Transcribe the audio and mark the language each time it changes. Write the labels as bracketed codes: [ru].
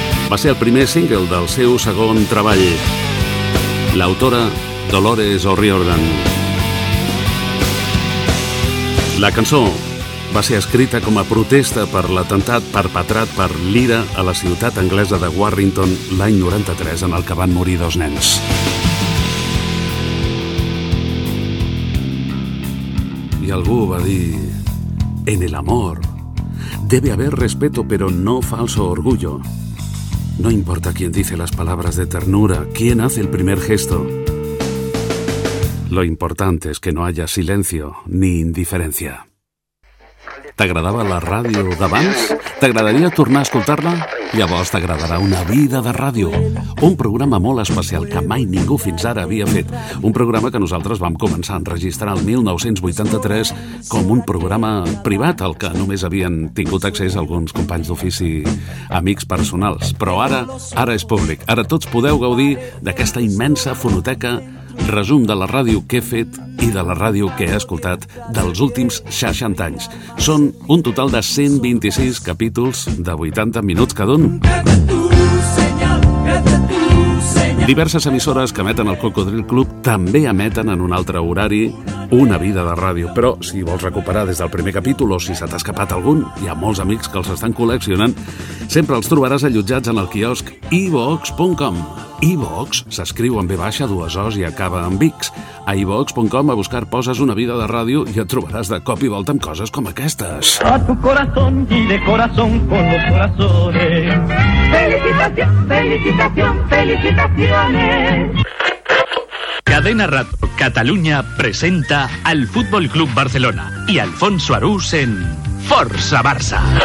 [ca] Va ser el primer single del seu segon treball. L'autora, Dolores O'Riordan. La cançó va ser escrita com a protesta per l'atemptat perpetrat per l'IRA a la ciutat anglesa de Warrington l'any 93, en el que van morir dos nens. I algú va dir: [es] en el amor debe haber respeto, pero no falso orgullo. No importa quién dice las palabras de ternura, quién hace el primer gesto. Lo importante es que no haya silencio ni indiferencia. [ca] T'agradava la ràdio d'abans? T'agradaria tornar a escoltar-la? Llavors t'agradarà Una vida de ràdio, un programa molt especial que mai ningú fins ara havia fet. Un programa que nosaltres vam començar a enregistrar el 1983 com un programa privat al que només havien tingut accés alguns companys d'ofici, amics personals. Però ara és públic. Ara tots podeu gaudir d'aquesta immensa fonoteca, resum de la ràdio que he fet i de la ràdio que he escoltat dels últims 60 anys. Són un total de 126 capítols de 80 minuts cada un. Diverses emissores que emeten el Cocodril Club també emeten en un altre horari Una vida de ràdio, però si vols recuperar des del primer capítol o si se t'ha escapat algun, hi ha molts amics que els estan col·leccionant, sempre els trobaràs allotjats en el quiosc ivox.com. iVox s'escriu amb V, dues O's i acaba amb X. A iVox.com a buscar poses Una vida de ràdio i et trobaràs de cop i volta amb coses com aquestes. [es] A tu corazón y de corazón con los corazones. Felicitaciones. Cadena Radio Cataluña presenta al Fútbol Club Barcelona y Alfonso Arús en Forza Barça.